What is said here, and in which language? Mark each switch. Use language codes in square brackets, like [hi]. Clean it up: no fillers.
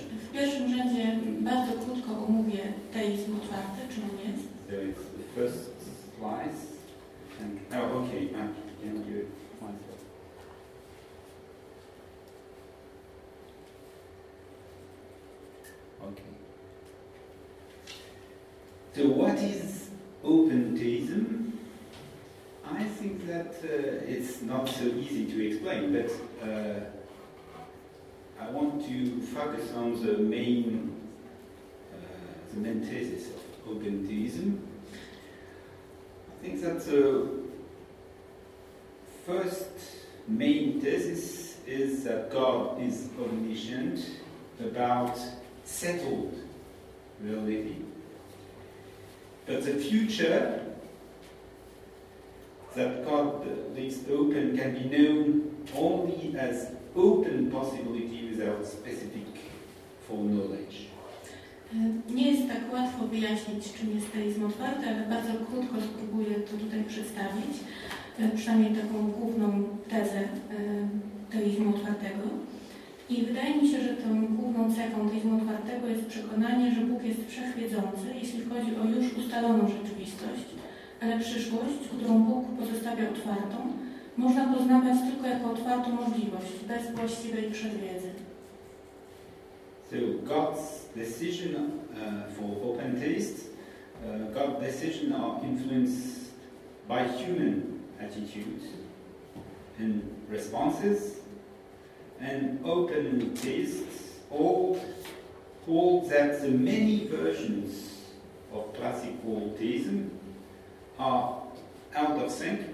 [pl] W pierwszym rzędzie bardzo krótko omówię teizm otwarty, czy on jest. [en] So it's the first slice. And, oh, okay, can you find it? Okay. So what is open theism? I think that it's not so easy to explain, but I want to focus on the main thesis of open theism. I think that the first main thesis is that God is omniscient about settled reality. But the future that God leaves open can be known only as open possibility without specific foreknowledge. [pl] Nie jest tak łatwo wyjaśnić, czym jest teizm otwarty, ale bardzo krótko spróbuję to tutaj przedstawić, przynajmniej taką główną tezę teizmu otwartego. I wydaje mi się, że tą główną cechą teizmu otwartego jest przekonanie, że Bóg jest wszechwiedzący, jeśli chodzi o już ustaloną rzeczywistość, ale przyszłość, którą Bóg pozostawia otwartą, można poznawać tylko jako otwartą możliwość, bez właściwej przedwiedzy. [en] So God's decision for open theists, God's decision are influenced by human attitudes and responses. And open theists hold that the many versions of classical theism are out of sync.